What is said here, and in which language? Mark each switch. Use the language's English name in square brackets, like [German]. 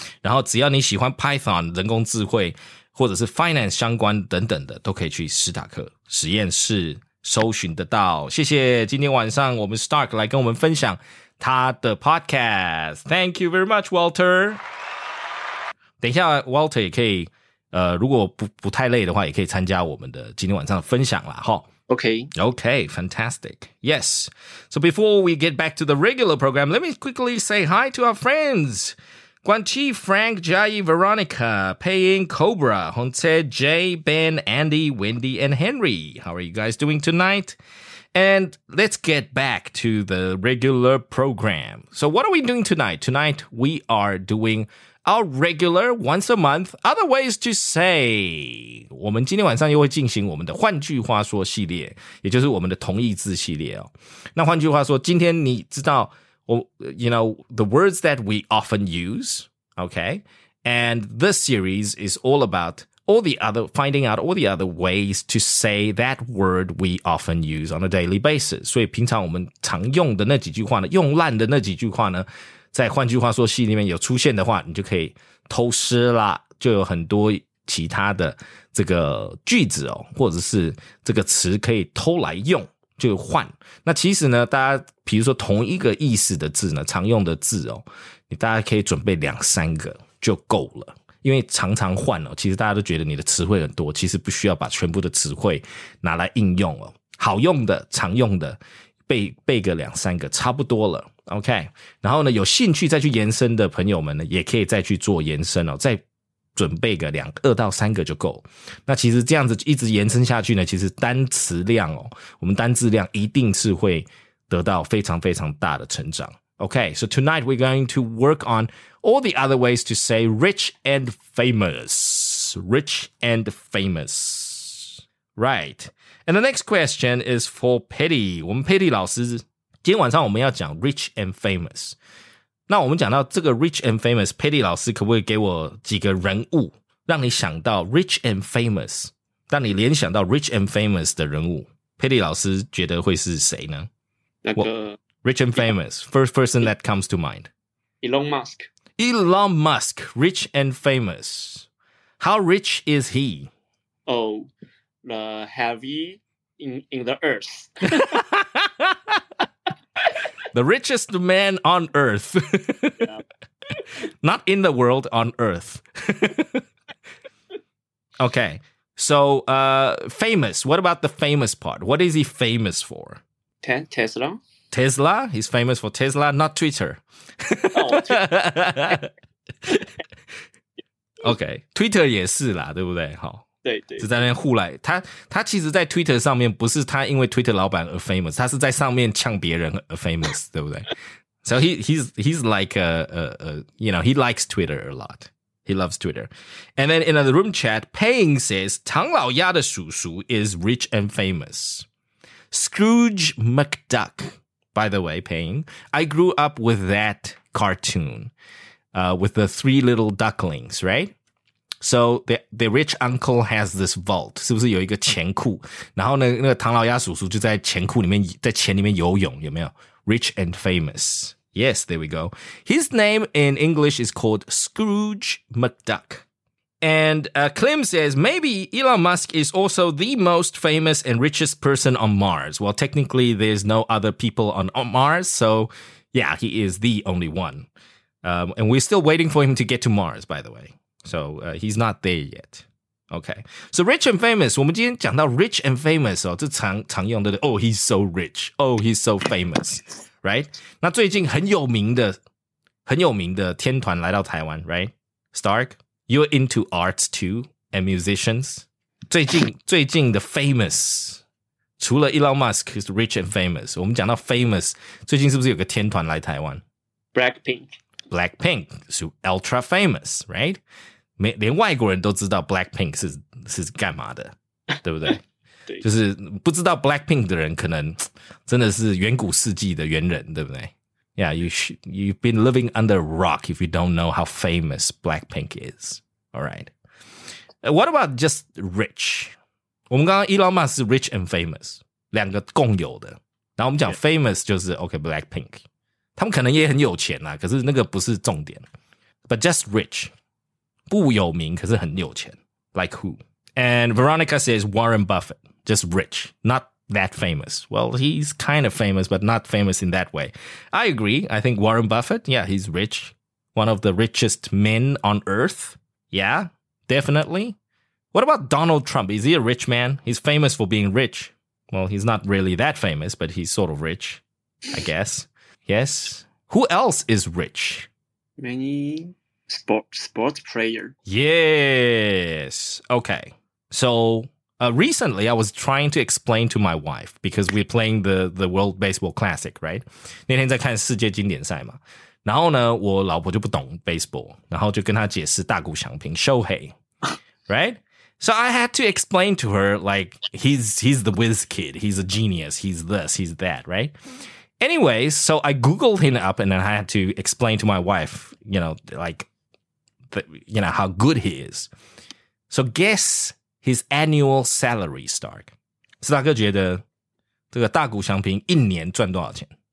[Chinese] 然后只要你喜欢 Python 人工智慧或者是 finance 相关等等的，都可以去史塔克实验室搜寻得到。谢谢今天晚上我们 Stark 来跟我们分享他的 podcast。 [English] Thank you very much Walter。 [Chinese] 等一下 Walter 也可以如果不太累的话，也可以参加我们的今天晚上的分享啦，齁。 [English] Okay, fantastic. Yes. So before we get back to the regular program, let me quickly say hi to our friends. Guanqi, Frank, Jai, Veronica, Paying, Cobra, Honce, Jay, Ben, Andy, Wendy, and Henry. How are you guys doing tonight? And let's get back to the regular program. So what are we doing tonight? Tonight we are doing... our regular once a month, other ways to say. [Chinese] 我们今天晚上又会进行我们的换句话说系列，也就是我们的同义字系列、哦、那换句话说，今天你知道 [English] you know, the words that we often use, okay? And this series is all about finding out all the other ways to say that word we often use on a daily basis. [Chinese] 所以平常我们常用的那几句话呢，用烂的那几句话呢，在换句话说戏里面有出现的话，你就可以偷师啦，就有很多其他的这个句子哦，或者是这个词可以偷来用，就换。那其实呢，大家比如说同一个意思的字呢，常用的字哦，你大家可以准备两三个就够了。因为常常换哦，其实大家都觉得你的词汇很多，其实不需要把全部的词汇拿来应用哦。好用的常用的背个两三个差不多了。 OK, 然后呢，有兴趣再去延伸的朋友们呢，也可以再去做延伸哦，再准备个2到3个就够。那其实这样子一直延伸下去呢，其实单词量哦，我们单字量一定是会得到非常非常大的成长。 [English] OK, so tonight we're going to work on all the other ways to say rich and famous. Rich and famous. Right. And the next question is for Petty. [Chinese] 我们 Petty 老师今天晚上我们要讲 rich and famous。那我们讲到这个 rich and famous， Patty 老师可不可以给我几个人物让你想到 rich and famous， 让你联想到 rich and famous 的人物， Patty 老师觉得会是谁呢？那个 [English] rich and famous first person that comes to mind， Elon Musk。 Elon Musk rich and famous， how rich is he？ Oh， the heavy in the earth。 The richest man on earth. 、 yeah. Not in the world, on earth. Okay, so famous. What about the famous part? What is he famous for? Tesla. Tesla? He's famous for Tesla, not Twitter. Oh, Twitter. [Chinese] Okay, Twitter 也是啦，对不对？好。对 对，是在那互来，他其实，在 Twitter 上面不是他因为 Twitter 老板而 famous， 他是在上面呛别人而 famous， 对不对 [English] ？So he's like you know he likes Twitter a lot， he loves Twitter， and then in the room chat， Paying says [Chinese] 唐老鸭的叔叔 [English] is rich and famous， Scrooge McDuck， by the way， Paying， I grew up with that cartoon， with the three little ducklings， right？ So the rich uncle has this vault. [Chinese] 是不是有一个钱库？然后呢，那个唐老鸭叔叔就在钱库里面，在钱里面游泳，有没有 ？ [English] Rich and famous. Yes, there we go. His name in English is called Scrooge McDuck. And Clem says maybe Elon Musk is also the most famous and richest person on Mars. Well, technically, there's no other people on Mars. So yeah, he is the only one. And we're still waiting for him to get to Mars. By the way. So he's not there yet. Okay. So rich and famous. [Chinese] 我们今天讲到 rich and famous 哦，这常用的。 [English] Oh, he's so rich. Oh, he's so famous. Right? [Chinese] 那最近很有名的、很有名的天团来到台湾 right? [English] Stark, you're into arts too and musicians? [Chinese] 最近的 famous, 除了 [English] Elon Musk is rich and famous, [Chinese] 我们讲到 famous, 最近是不是有个天团来台湾 [English] Blackpink. Blackpink, so ultra famous, right? [Chinese] 连外国人都知道 Blackpink 是干嘛的对不对对就是不知道 Blackpink 的人可能真的是远古世纪的猿人对不对 [English] Yeah, you've been living under a rock if you don't know how famous Blackpink is. Alright. What about just rich? [Chinese] 我们刚刚 Elon Musk 是 rich and famous, 两个共有的。然后我们讲 famous 就是 OK, Blackpink. 他们可能也很有钱啦可是那个不是重点。 [English] But just rich, [Chinese] 不有名可是很有钱。 [English] Like who? And Veronica says Warren Buffett, just rich, not that famous. Well, he's kind of famous, but not famous in that way. I agree. I think Warren Buffett, yeah, he's rich. One of the richest men on earth. Yeah, definitely. What about Donald Trump? Is he a rich man? He's famous for being rich. Well, he's not really that famous, but he's sort of rich, I guess. Yes. Who else is rich? Many... Sports player. Yes. Okay. So, recently I was trying to explain to my wife because we're playing the World Baseball Classic, right? [Chinese] 那天在看世界经典赛嘛。然后呢，我老婆就不懂 baseball， 然后就跟她解释大谷翔平 Shohei， right? [English] So I had to explain to her like he's the whiz kid, he's a genius, he's this, he's that, right? Anyways, so I googled him up and then I had to explain to my wife, you know, like, you know, how good he is. So guess his annual salary, Stark. [Chinese] Stark 觉得这个大谷翔平一年赚多少钱?